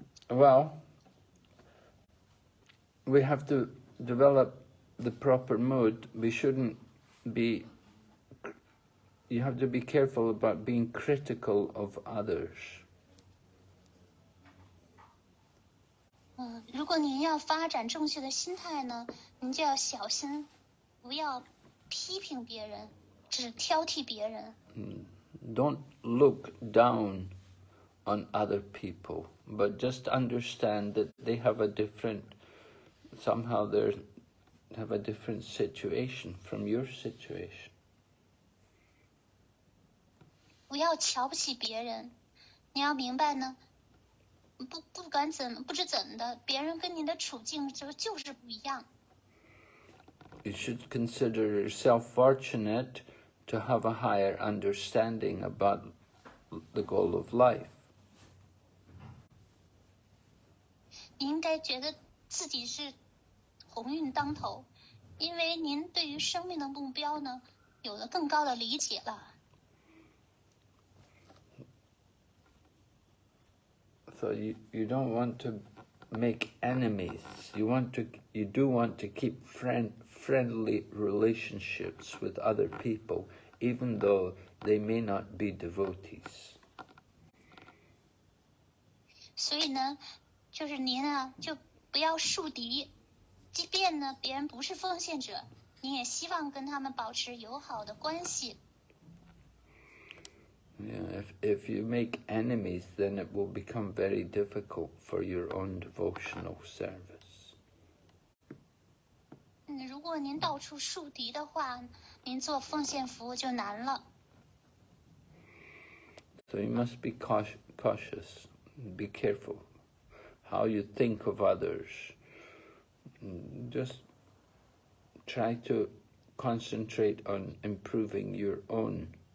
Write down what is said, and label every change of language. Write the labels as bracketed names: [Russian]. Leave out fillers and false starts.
[English] Well, we have to develop the proper mood. We shouldn't be, you have to be careful about being critical of others. [Chinese] 如果您要发展正确的心态呢，您就要小心，不要批评别人，只挑剔别人。 [English] Don't look down on other people, but just understand that they have a different, somehow they have a different situation from your situation. [Chinese] 不要瞧不起别人，你要明白呢。不知怎的，别人跟你的处境就是不一样。 [English] You should consider yourself fortunate to have a higher understanding about the goal of life. [Chinese] 你应该觉得自己是鸿运当头，因为您对于生命的目标呢，有了更高的理解了。 [English] So you don't want to make enemies. You do want to keep friendly relationships with other people, even though they may not be devotees. [Chinese] 所以呢，就是您啊，就不要树敌。即便呢，别人不是奉献者，你也希望跟他们保持友好的关系。 [English] Yeah, if you make enemies, then it will become very difficult for your own devotional service. [Chinese] 如果您到处树敌的话，您做奉献服务就难了。 [English] So you must be cautious, be careful how you think of others. Just try to concentrate on improving your own.